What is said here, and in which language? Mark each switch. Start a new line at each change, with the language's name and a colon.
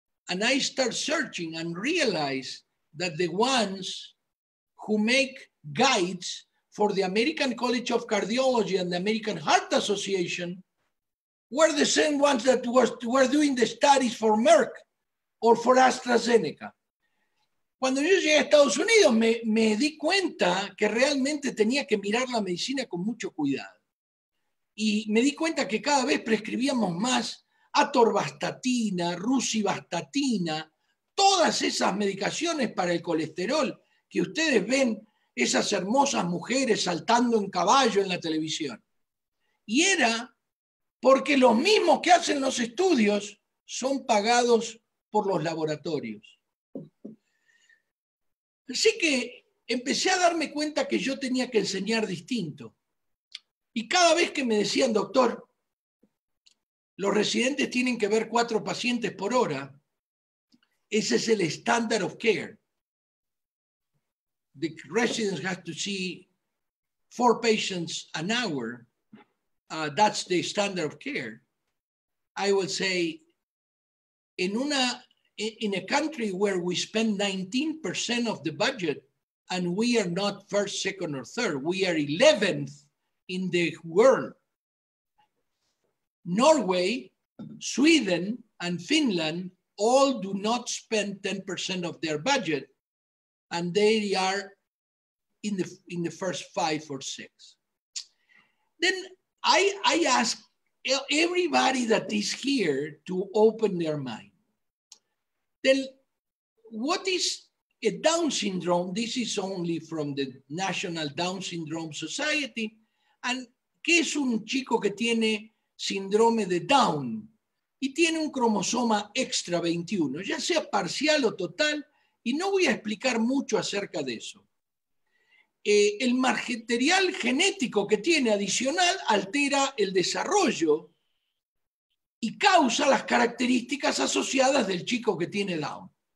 English: And I start searching and realize that the ones who make guides for the American College of Cardiology and the American Heart Association were the same ones that were doing the studies for Merck or for AstraZeneca.
Spanish: Cuando yo llegué a Estados Unidos, me di cuenta que realmente tenía que mirar la medicina con mucho cuidado. Y me di cuenta que cada vez prescribíamos más atorvastatina, rosuvastatina, todas esas medicaciones para el colesterol que ustedes ven esas hermosas mujeres saltando en caballo en la televisión. Y era porque los mismos que hacen los estudios son pagados por los laboratorios. Así que empecé a darme cuenta que yo tenía que enseñar distinto. Y cada vez que me decían, doctor, los residentes tienen que ver 4 pacientes por hora, ese es el
English: standard of care. The residents have to see 4 patients an hour. That's the standard of care. I would say, in a country where we spend 19% of the budget and we are not first, second, or third, we are 11th in the world. Norway, Sweden, and Finland all do not spend 10% of their budget, and they are in the first 5 or 6. Then I ask everybody that is here to open their mind. Then, what is a Down syndrome? This is only from the National Down Syndrome Society.
Spanish: And ¿qué es un chico que tiene síndrome de Down? Y tiene un cromosoma extra 21, ya sea parcial o total, y no voy a explicar mucho acerca de eso. El material genético que tiene adicional altera el desarrollo y causa las características asociadas del chico que tiene Down.